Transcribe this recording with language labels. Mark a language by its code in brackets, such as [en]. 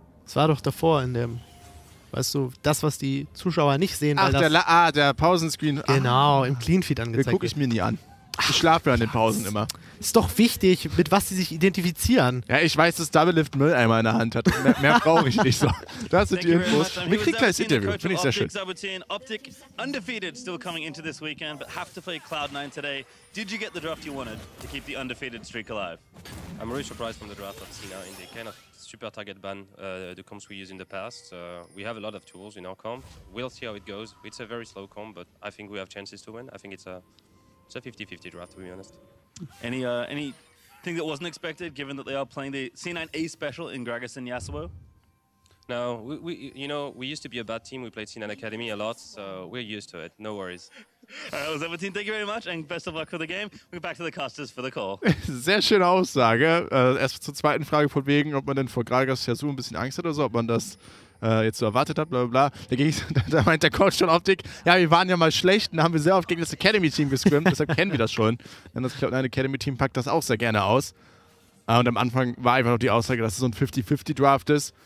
[de] Es war doch davor in dem... Weißt du, das, was die Zuschauer nicht sehen, ach, weil das... Der Pausenscreen. Genau, im Cleanfeed angezeigt. Den gucke ich mir nie an. Ich schlafe an den Pausen immer. Ist doch wichtig, mit was sie sich identifizieren. Ja, ich weiß, dass Double Lift Mülleimer in der Hand hat. Mehr brauche ich nicht so. Das sind die Infos. Wir kriegen gleich das Interview. Finde ich sehr schön. [en] Sabotin, Optik undefeated, still coming into this weekend, but have to play Cloud9 today. Did you get the draft you wanted to keep the undefeated streak alive? I'm really surprised from the draft I've seen in the kind of super target ban, the comps we use in the past. We have a lot of tools in our comp. We'll see how it goes. It's a very slow comp, but I think we have chances to win. I think it's a 50-50 draft, to be honest. Anything that wasn't expected, given that they are playing the C9 A special in Gragas and Yasuo? No, we used to be a bad team. We played C9 Academy a lot, so we're used to it. No worries. All right, Sabotin, thank you very much and best of luck for the game. We're back to the casters for the call. [de] Sehr schöne Aussage. Erst zur zweiten Frage von wegen, ob man denn vor Gragas Yasuo ein bisschen Angst hat oder so, ob man das jetzt so erwartet hat, blablabla. Da meint der Coach schon Optik, ja, wir waren ja mal schlecht und da haben wir sehr oft gegen das Academy-Team gescrimmt, deshalb kennen wir das schon. Denn das Academy-Team packt das auch sehr gerne aus. Und am Anfang war einfach noch die Aussage, dass es so ein 50-50-Draft ist.